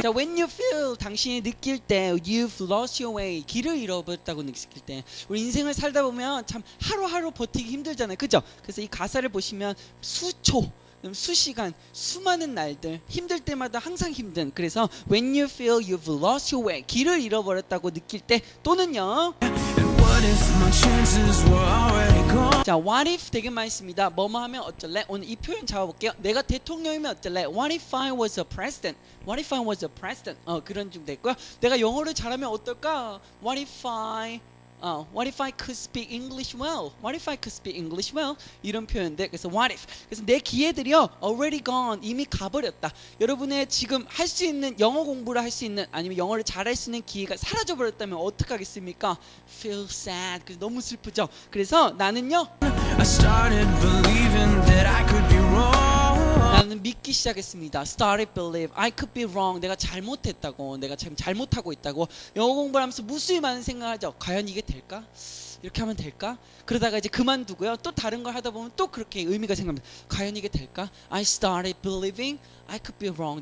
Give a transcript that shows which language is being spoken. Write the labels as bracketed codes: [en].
[ko] 자, [en] when you feel [ko] 당신이 느낄 때 [en] you've lost your way, [ko] 길을 잃어버렸다고 느낄 때. 우리 인생을 살다 보면 참 하루하루 버티기 힘들잖아요. 그죠? 그래서 이 가사를 보시면 수초. 수시간, 수많은 날들, 힘들 때마다 항상 힘든. 그래서 [en] when you feel you've lost your way, [ko] 길을 잃어버렸다고 느낄 때, 또는요. [en] And what if my chances were already gone? [ko] 자, what if 되게 많이 씁니다. 뭐뭐 하면 어쩔래? 오늘 이 표현 잡아볼게요. 내가 대통령이면 어쩔래? [en] What if I was a president? What if I was a president? [ko] 그런 좀 됐고요. 내가 영어를 잘하면 어떨까? [en] What if I... What if I could speak English well? What if I could speak English well? [ko] 이런 표현들. 그래서 [en] what if? [ko] 그래서 내 기회들이요 [en] already gone. [ko] 이미 가버렸다. 여러분의 지금 할 수 있는 영어 공부를 할 수 있는 아니면 영어를 잘할 수 있는 기회가 사라져 버렸다면 어떡하겠습니까? [en] Feel sad. [ko] 그래서 너무 슬프죠. 그래서 나는요. [en] I started believing that I could be wrong. [ko] 나는 믿기 시작했습니다. [en] Started believe. I could be wrong. [ko] 내가 잘못했다고. 내가 지금 잘못하고 있다고. 영어 공부를 하면서 무수히 많은 생각을 하죠. 과연 이게 될까? 이렇게 하면 될까? 그러다가 이제 그만두고요. 또 다른 걸 하다 보면 또 그렇게 의미가 생깁니다. 과연 이게 될까? [en] I started believing. I could be wrong.